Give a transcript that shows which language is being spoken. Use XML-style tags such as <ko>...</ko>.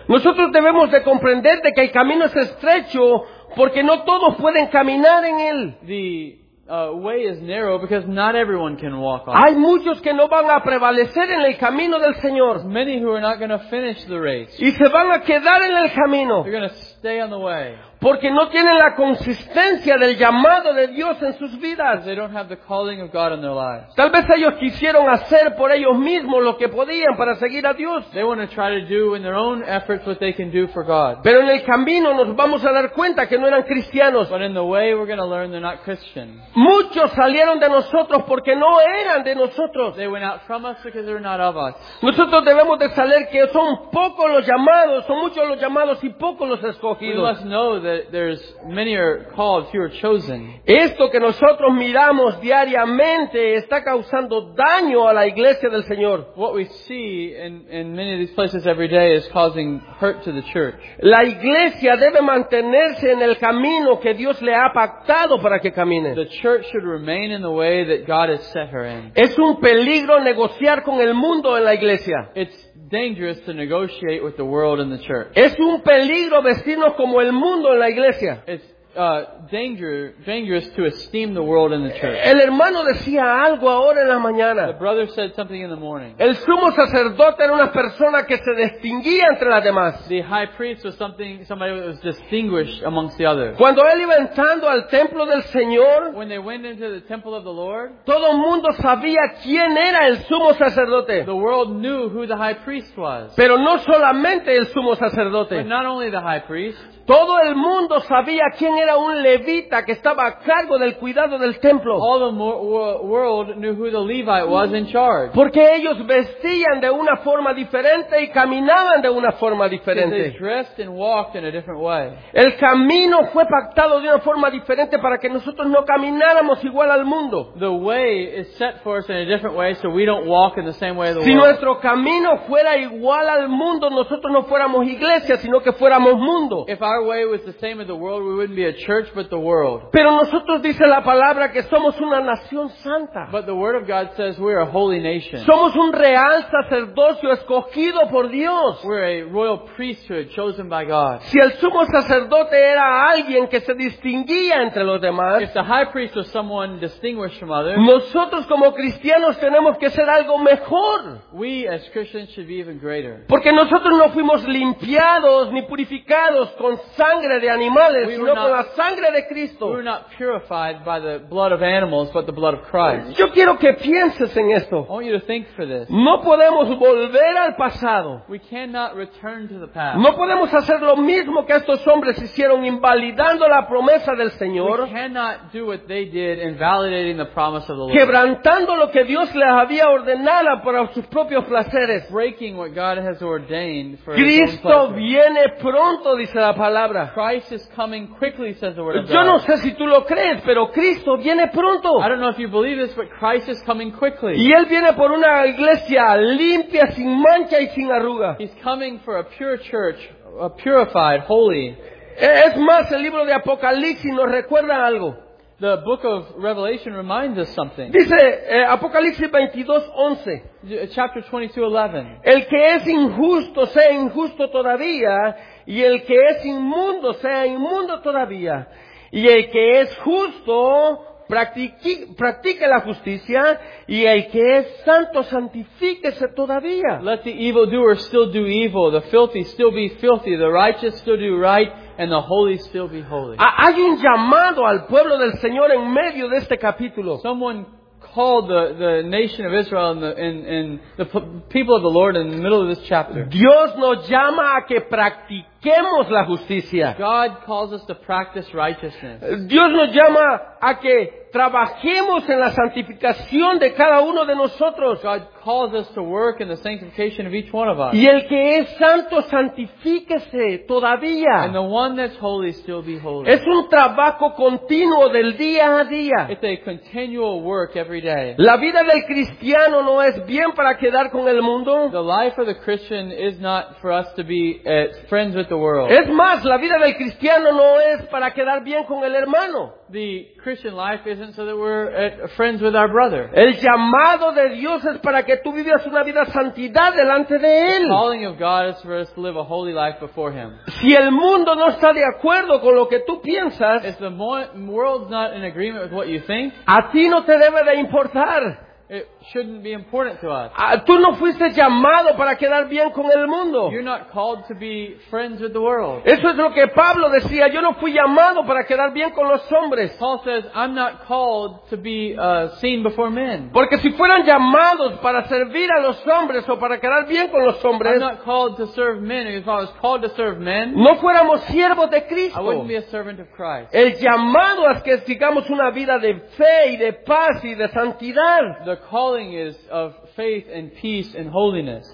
<es>Nosotros debemos de comprender de que el camino es estrecho porque no todos pueden caminar en él.</es> <en>The way is narrow because not everyone can walk on.</en> <es>Hay muchos que no van a prevalecer en el camino del Señor.</es> <en>Many who are not going to finish the race.</en> <es>Y se van a quedar en el camino.</es> <en>They're going to stay on the way.</en> <es>Porque no tienen la consistencia del llamado de Dios en sus vidas.</es> <en>They don't have the calling of God in their lives.</en> <es>Tal vez ellos quisieron hacer por ellos mismos lo que podían para seguir a Dios.</es> <en>They want to try to do in their own efforts what they can do for God.</en> <es>Pero en el camino nos vamos a dar cuenta que no eran cristianos.</es> <en>But in the way we're going to learn they're not Christian.</en> <es>Muchos salieron de nosotros porque no eran de nosotros.</es> <en>They went out from us because they're not of us.</en> <es>Nosotros debemos de saber que son pocos los llamados, son muchos los llamados y pocos los escogidos.</es> <en>We must know that there's many are called, few are chosen.</en> <es>Esto que nosotros miramos diariamente está causando daño a la iglesia del Señor.</es> <en>What we see in many of these places every day is causing hurt to the church.</en> <es>La iglesia debe mantenerse en el camino que Dios le ha pactado para que camine.</es> <en>The church should remain in the way that God has set her in.</en> <es>Es un peligro negociar con el mundo en la iglesia.</es> <en>It's dangerous to negotiate with the world in the church.</en> <es>Es un peligro vestirnos como el mundo en la iglesia.</es> <en>It's dangerous to esteem the world in the church.</en> <es>El hermano decía algo ahora en la mañana.</es> <en>The brother said something in the morning.</en> <es>El sumo sacerdote era una persona que se distinguía entre las demás.</es> <en>The high priest was somebody that was distinguished amongst the others.</en> <es>Cuando él iba entrando al templo del Señor,</es> <en>when they went into the temple of the Lord,</en> <es>todo el mundo sabía quién era el sumo sacerdote.</es> <en>The world knew who the high priest was.</en> <es>Pero no solamente el sumo sacerdote.</es> <en>But not only the high priest.</en> <es>Todo el mundo sabía quién era un levita que estaba a cargo del cuidado del templo.</es> <en>All the world knew who the Levite was in charge.</en> <es>Porque ellos vestían de una forma diferente y caminaban de una forma diferente.</es> <en>They dressed and walked in a different way.</en> <es>El camino fue pactado de una forma diferente para que nosotros no camináramos igual al mundo.</es> <en>The way is set for us in a different way so we don't walk in the same way of the world.</en> <es>Si nuestro camino fuera igual al mundo, nosotros no fuéramos iglesia, sino que fuéramos mundo.</es> <en>If our way was the same as the world, we wouldn't be a church, but the world.</en> <es>Pero nosotros dice la palabra que somos una nación santa.</es> <en>But the word of God says we are a holy nation.</en> <es>Somos un real sacerdocio escogido por Dios.</es> <en>We're a royal priesthood chosen by God.</en> <es>Si el sumo sacerdote era alguien que se distinguía entre los demás,</es> <en>if the high priest was someone distinguished from others,</en> <es>nosotros como cristianos tenemos que ser algo mejor.</es> <en>We as Christians should be even greater.</en> <es>Porque nosotros no fuimos limpiados ni purificados con sangre de animales, sino con la sangre de Cristo.</es> <en>We were not purified by the blood of animals, but the blood of Christ.</en> <es>Yo quiero que pienses en esto.</es> <en>I want you to think for this.</en> <es>No podemos volver al pasado.</es> <en>We cannot return to the past.</en> <es>No podemos hacer lo mismo que estos hombres hicieron, invalidando la promesa del Señor.</es> <en>We cannot do what they did, invalidating the promise of the Lord.</en> <es>Quebrantando lo que Dios les había ordenado para sus propios placeres.</es> <en>Breaking what God has ordained for</en> <es>Cristo viene pronto, dice la palabra.</es> <en>Christ is coming quickly, says the word of God.</en> <es>Yo no sé si tú lo crees, pero Cristo viene pronto.</es> <en>I don't know if you believe this, but Christ is coming quickly.</en> <es>Y él viene por una iglesia limpia, sin mancha y sin arruga.</es> <en>He's coming for a pure church, a purified, holy.</en> <es>Es más, el libro de Apocalipsis nos recuerda algo.</es> <en>The book of Revelation reminds us something.</en> <es>Dice Apocalipsis 22:11.</es> <en>Chapter 22:11.</en> <es>El que es injusto sea injusto todavía, y el que es inmundo sea inmundo todavía, y el que es justo practique la justicia, y el que es santo santifíquese todavía.</es> <en>Let the evildoer still do evil, the filthy still be filthy, the righteous still do right, and the holy still be holy.</en> <es>Hay un llamado al pueblo del Señor en medio de este capítulo.</es> <en>Someone called the nation of Israel and the people of the Lord in the middle of this chapter.</en> <es>Dios nos llama a que practiquemos la justicia.</es> <en>God calls us to practice righteousness.</en> <es>Dios nos llama a que trabajemos en la santificación de cada uno de nosotros.</es> <en>God calls us to work in the sanctification of each one of us.</en> <es>Y el que es santo, santifíquese todavía.</es> <en>And the one that's holy, still be holy.</en> <es>Es un trabajo continuo del día a día.</es> <en>It's a continual work every day.</en> <es>La vida del cristiano no es bien para quedar con el mundo.</es> <en>The life of the Christian is not for us to be friends with the world.</en> <es>Es más, la vida del cristiano no es para quedar bien con el hermano.</es> <en>The Christian life isn't so that we're friends with our brother.</en> <es>El llamado de Dios es para que tú vivas una vida santidad delante de él.</es> <en>The calling of God is for us to live a holy life before him.</en> <es>Si el mundo no está de acuerdo con lo que tú piensas,</es> <en>if the world's not in agreement with what you think,</en> <es>a ti no te debe de importar.</es> <en>It shouldn't be important to us.</en> <es>Tú no fuiste llamado para quedar bien con el mundo.</es> <en>You're not called to be friends with the world.</en> <es>Eso es lo que Pablo decía. Yo no fui llamado para quedar bien con los hombres.</es> <en>Paul says, I'm not called to be seen before men.</en> <es>Porque si fueran llamados para servir a los hombres o para quedar bien con los hombres,</es> <en>I'm not called to serve men. If I was called to serve men,</en> <es>no fuéramos siervos de Cristo.</es> <en>I wouldn't be a servant of Christ.</en> <es>El llamado es que sigamos una vida de fe y de paz y de santidad.</es> <en>The calling is of faith and peace and holiness.</en>